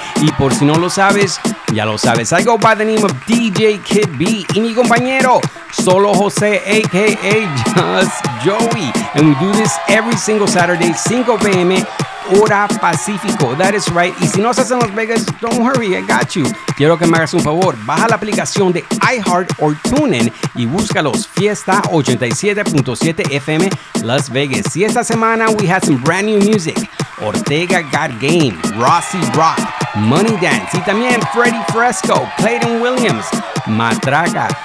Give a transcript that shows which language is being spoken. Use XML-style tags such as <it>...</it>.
<es>Y por si no lo sabes, ya lo sabes.</es> <en>I go by the name of DJ Kid B.</en> <es>Y mi compañero,</es> <en>Solo José, a.k.a. Just Joey. And we do this every single Saturday, 5 p.m.</en> <es>hora Pacífico.</es> <en>That is right.</en> <es>Y si no estás en Las Vegas,</es> <en>don't worry, I got you.</en> <es>Quiero que me hagas un favor. Baja la aplicación de iHeart o TuneIn y búscalos. Fiesta 87.7 FM Las Vegas. Y esta semana</es> <en>we have some brand new music. Ortega Got Game, Rossi Rock, Money Dance y también Freddy Fresco, Clayton Williams, Matraca.</en>